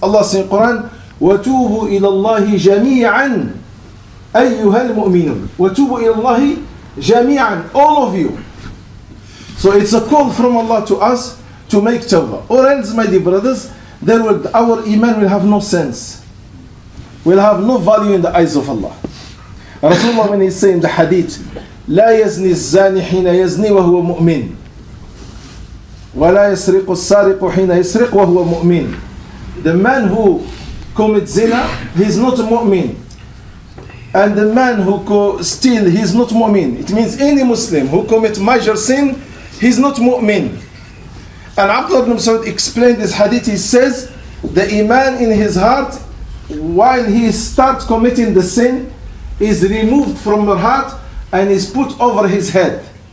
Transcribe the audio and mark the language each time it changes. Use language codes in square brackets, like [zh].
[en] Allah says in Quran, [ar] وَتُوبُوا إِلَى اللَّهِ جَمِيعًا أَيُّهَا الْمُؤْمِنُونَ وَتُوبُوا إِلَى اللَّهِ جَمِيعًا, [en] all of you. So it's a call from Allah to us to make tawbah. Or else, my dear brothers, our iman will have no sense. Will have no value in the eyes of Allah. [ar] Rasulullah, [en] when he says in the hadith, [ar] لا يزني الزاني حين يزني وهو مؤمن ولا يسرق السارق حين يسرق وهو مؤمن. [en] The man who commits zina, he's not a mu'min. And the man who steal, he's not mu'min. It means any Muslim who commits major sin, he's not mu'min. And Abdullah ibn Saud explained this hadith. He says, the iman in his heart, while he starts committing the sin, is removed from the heart and is put over his head.